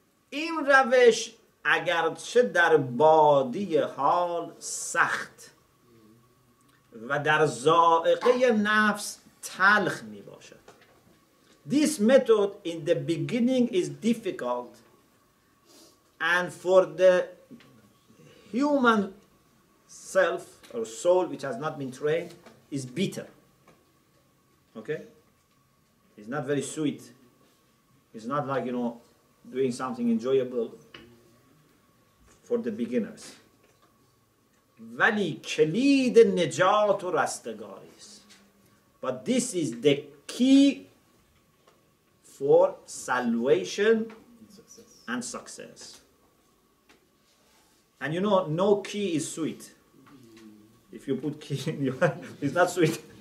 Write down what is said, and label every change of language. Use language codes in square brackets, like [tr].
[fa] این روش اگرچه در بادی حال سخت و در ذائقه نفس تلخ می باشد. [en] This method in the beginning is difficult and for the human self or soul which has not been trained is bitter. Okay? It's not very sweet. It's not like, you know, doing something enjoyable for the beginners. [fa] ولی کلید نجات و رستگاری است. [en] But this is the key for salvation and success. And you know, no key is sweet. If you put key in your hand, it's not sweet.